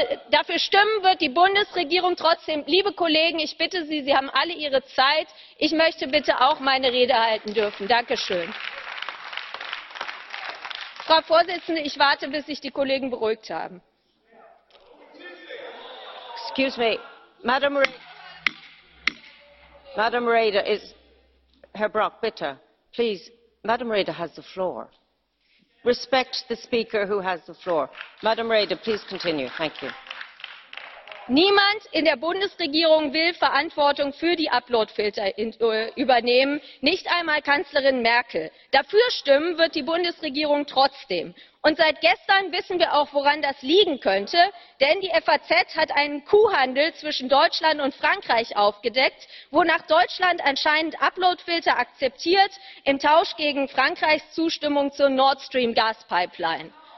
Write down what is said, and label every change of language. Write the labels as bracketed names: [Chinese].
[German] Dafür stimmen wird die Bundesregierung trotzdem. Liebe Kollegen, ich bitte Sie, Sie haben alle Ihre Zeit. Ich möchte bitte auch meine Rede halten dürfen. Dankeschön. Frau Vorsitzende, ich warte, bis sich die Kollegen beruhigt haben. [English] Excuse me, Madam Rader is, Herr Brock, [German] bitte, [English] please, Madam Rader has the floor. Respect the speaker who has the floor. Madam Rader, please continue, thank you. [German] Niemand in der Bundesregierung will Verantwortung für die Uploadfilter übernehmen, nicht einmal Kanzlerin Merkel. Dafür stimmen wird die Bundesregierung trotzdem. Und seit gestern wissen wir auch, woran das liegen könnte, denn die FAZ hat einen Kuhhandel zwischen Deutschland und Frankreich aufgedeckt, wonach Deutschland anscheinend Uploadfilter akzeptiert im Tausch gegen Frankreichs Zustimmung zur Nord Stream Gaspipeline.